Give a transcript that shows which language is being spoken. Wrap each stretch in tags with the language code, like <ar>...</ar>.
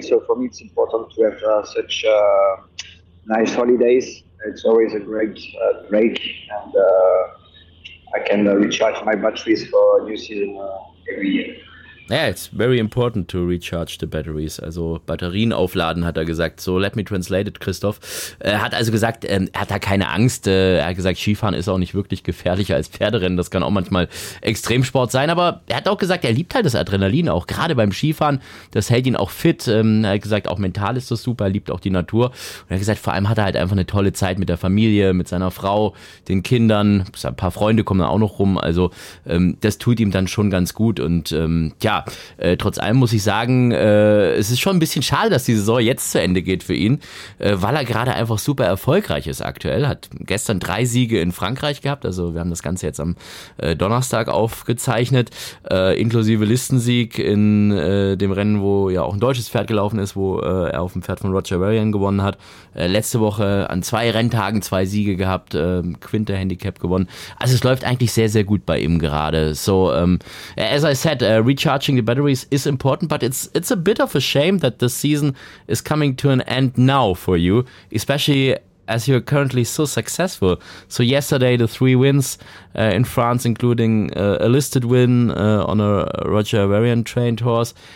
<en>So for me it's important to have such nice holidays. It's always a great break, and I can recharge my batteries for new season every year. Yeah, it's very important to recharge the batteries.</en> <de>Also Batterien aufladen, hat er gesagt.</de> <en>So, let me translate it, Christoph.</en> <de>Er hat also gesagt, er hat da keine Angst. Er hat gesagt, Skifahren ist auch nicht wirklich gefährlicher als Pferderennen. Das kann auch manchmal Extremsport sein. Aber er hat auch gesagt, er liebt halt das Adrenalin auch. Gerade beim Skifahren, das hält ihn auch fit. Er hat gesagt, auch mental ist das super. Er liebt auch die Natur. Und er hat gesagt, vor allem hat er halt einfach eine tolle Zeit mit der Familie, mit seiner Frau, den Kindern. Ein paar Freunde kommen da auch noch rum. Also das tut ihm dann schon ganz gut. Und trotz allem muss ich sagen, es ist schon ein bisschen schade, dass die Saison jetzt zu Ende geht für ihn, weil er gerade einfach super erfolgreich ist aktuell. Hat gestern 3 Siege in Frankreich gehabt, also wir haben das Ganze jetzt am Donnerstag aufgezeichnet, inklusive Listensieg in dem Rennen, wo ja auch ein deutsches Pferd gelaufen ist, wo er auf dem Pferd von Roger Varian gewonnen hat. Letzte Woche an 2 Renntagen 2 Siege gehabt, Quinter Handicap gewonnen. Also es läuft eigentlich sehr, sehr gut bei ihm gerade.</de> <en>So, as I said, Richard charging the batteries is important, but it's a bit of a shame that the season is coming to an end now for you, especially as you're currently so successful. So yesterday, the 3 wins in France, including a listed win on a Roger Varian trained horse.</en>